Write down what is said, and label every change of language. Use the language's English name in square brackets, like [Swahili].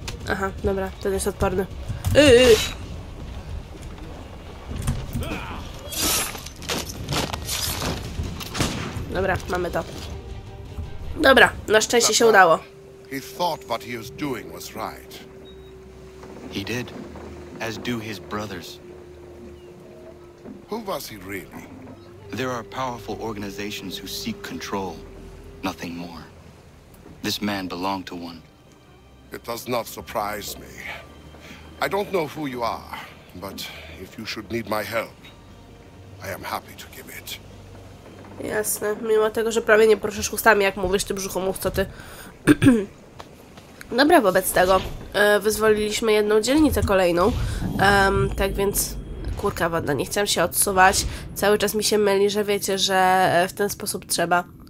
[Polish] Aha, dobra, ten jest odporny. Dobra, mamy to. Dobra, na szczęście się udało. [English] He thought what he was doing was right. He did, as do his brothers. Who was he really? There are powerful organizations who seek control, nothing more. This man belonged to one. It does not surprise me. I don't know who you are, but if you should need my help, I am happy to give it. [Polish] Jasne, mimo tego, że prawie nie poruszasz ustami, jak mówisz, ty brzuchomów, co ty. Dobra, wobec tego. Wyzwoliliśmy jedną dzielnicę kolejną. Tak więc, kurka woda, nie chciałam się odsuwać. Cały czas mi się myli, że wiecie, że w ten sposób trzeba.